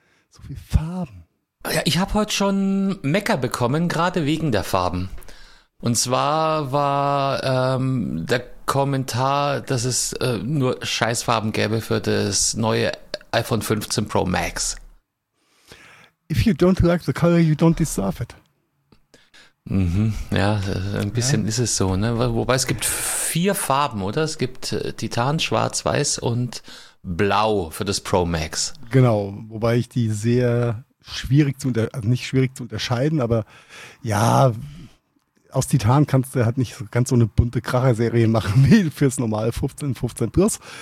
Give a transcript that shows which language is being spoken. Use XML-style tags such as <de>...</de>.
<de>So viel Farben. Ja, ich habe heute schon Mecker bekommen, gerade wegen der Farben. Und zwar war der Kommentar, dass es nur Scheißfarben gäbe für das neue iPhone 15 Pro Max.</de> <en>If you don't like the color, you don't deserve it.</en> <de>Mhm, ja, ein bisschen ja. Ist es so, ne? Wobei es gibt vier Farben, oder? Es gibt Titan, Schwarz, Weiß und Blau für das Pro Max. Genau, wobei ich die sehr schwierig zu unterscheiden, aber ja, aus Titan kannst du halt nicht so ganz so eine bunte Kracherserie machen wie fürs normale 15, 15 Plus.</de>